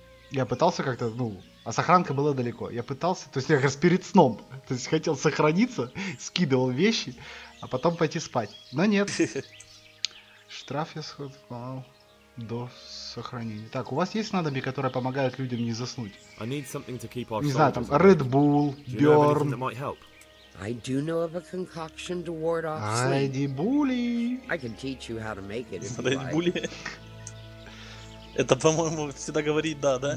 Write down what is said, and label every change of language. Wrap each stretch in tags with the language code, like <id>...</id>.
<ru>Я пытался как-то, ну, а сохранка была далеко. Я пытался, то есть я как раз перед сном, то есть хотел сохраниться, скидывал вещи, а потом пойти спать. Но нет. Штраф я схватывал до сохранения. Так, у вас есть снадобья, которые помогают людям не заснуть? Не знаю, там, Red Bull, Burn.</ru> <en>I do know of a concoction to ward off sleep.</en> <ru>Ради були.</ru> <en>I can teach you how to make it.</en> <ru>Ради були. Это, по-моему, всегда говорит да, да?</ru>